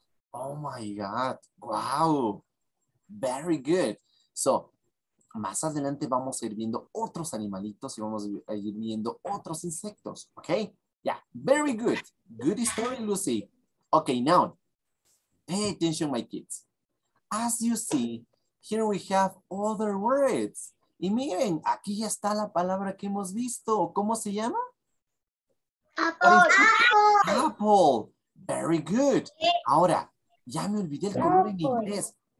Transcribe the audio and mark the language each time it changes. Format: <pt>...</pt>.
<en>Oh, my God. Wow. Very good.</en> <es>So, más adelante vamos a ir viendo otros animalitos y vamos a ir viendo otros insectos. Okay? Yeah. Very good. Good story, Lucy. Okay, now,</es> <en>Pay attention, my kids. As you see, here we have other words.</en> <es>Y miren, aquí ya está la palabra que hemos visto. ¿Cómo se llama?</es> <en>Apple. Very good.</en> <es>Ahora, ya me olvidé el color en inglés.</es>